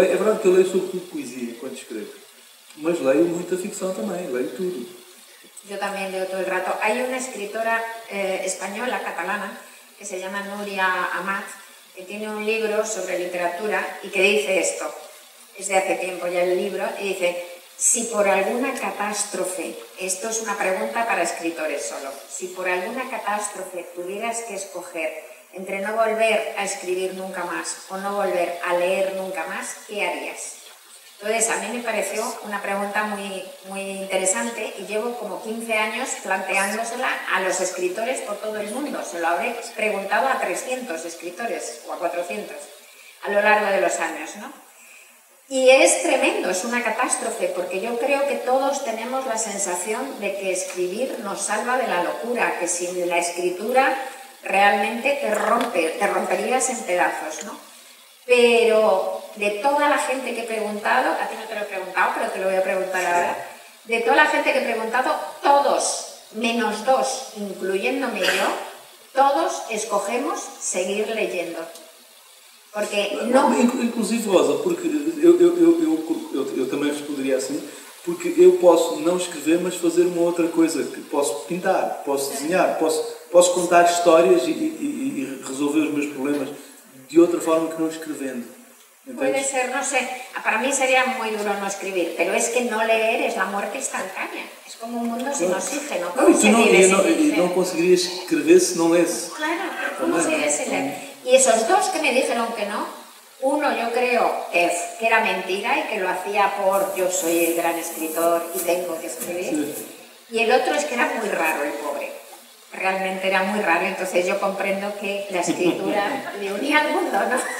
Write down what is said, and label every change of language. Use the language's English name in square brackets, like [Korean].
[Portuguese] É verdade que eu leio sobretudo poesia enquanto escrevo. Mas leio muita ficção também, leio tudo. Eu também leio todo o rato. Há uma escritora espanhola, catalana, que se chama Núria Amat, que tem um livro sobre literatura e que diz isto. É [Spanish] de hace [Portuguese] tempo já o livro. E diz: [Spanish] si por alguna catástrofe, esto es una pregunta para escritores solo, si por alguna catástrofe tuvieras que escoger entre no volver a escribir nunca más o no volver a leer nunca más, ¿qué harías? Entonces, a mí me pareció una pregunta muy, muy interesante y llevo como 15 años planteándosela a los escritores por todo el mundo. Se lo habré preguntado a 300 escritores o a 400 a lo largo de los años, ¿no? Y es tremendo, es una catástrofe, porque yo creo que todos tenemos la sensación de que escribir nos salva de la locura, que sin la escritura realmente te romperías en pedazos, ¿no? Pero de toda la gente que he preguntado, a ti no te lo he preguntado, pero te lo voy a preguntar ahora, de toda la gente que he preguntado, todos, menos dos, incluyéndome yo, todos escogemos seguir leyendo. [Portuguese] Porque não... Inclusive, Rosa, porque eu também responderia assim, porque eu posso não escrever, mas fazer uma outra coisa, que posso pintar, posso desenhar, posso contar histórias e resolver os meus problemas de outra forma que não escrevendo. Entende? Pode ser, não sei, para mim seria muito duro não escrever, mas é que não ler é a morte instantânea, é como um mundo sem oxígeno. E não conseguirias escrever se não lesse. Claro, como seria se ler? [Spanish] Y esos dos que me dijeron que no, uno yo creo que era mentira y que lo hacía por yo soy el gran escritor y tengo que escribir, y el otro es que era muy raro el pobre, realmente era muy raro, entonces yo comprendo que la escritura le unía al mundo, ¿no?